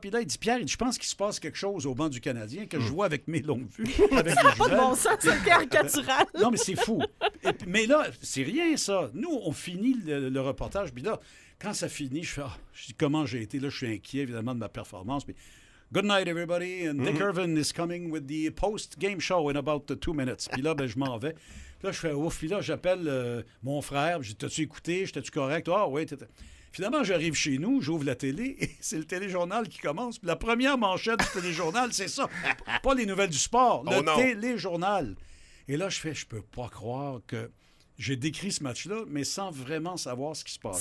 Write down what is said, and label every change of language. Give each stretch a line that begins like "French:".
French: Puis là, il dit, Pierre, il dit, je pense qu'il se passe quelque chose au banc du Canadien que je vois avec mes longues vues. Avec ça n'a pas de bon sens, c'est caricatural. Non, mais c'est fou. Mais là, c'est rien, ça. Nous, on finit le reportage. Puis là, quand ça finit, je fais, oh, je dis, comment j'ai été? Là, je suis inquiet, évidemment, de ma performance.
English: Puis... Good night, everybody. And Dick Irvin is coming with the post-game show in about 2 minutes.
French: Puis là, ben, je m'en vais. Puis là, je fais ouf. Puis là, j'appelle mon frère. Je dis, t'as-tu écouté? J'étais-tu correct? Ah, oh, oui. Finalement, j'arrive chez nous, j'ouvre la télé et c'est le téléjournal qui commence. Puis la première manchette du téléjournal, c'est ça. Pas les nouvelles du sport, le téléjournal. Et là, je fais, je peux pas croire que. J'ai décrit ce match-là, mais sans vraiment savoir ce qui se passait.